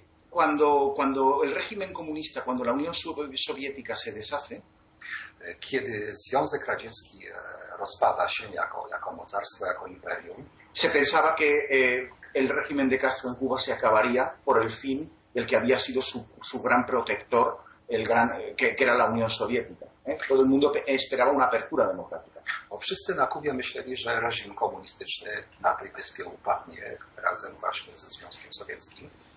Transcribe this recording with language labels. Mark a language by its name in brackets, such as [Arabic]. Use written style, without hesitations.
[Spanish] Cuando el régimen comunista, cuando la Unión Soviética se deshace, [Polish] kiedy Związek Radziecki rozpada się jako mocarstwo, jako imperium, [Spanish] se pensaba que el régimen de Castro en Cuba se acabaría por el fin del que había sido su gran protector, el gran, que era la Unión Soviética. Todo el mundo esperaba una apertura democrática. [Polish] bo wszyscy na Kubie myśleli, że reżim komunistyczny na tej wyspie upadnie razem właśnie ze Związkiem Sowieckim.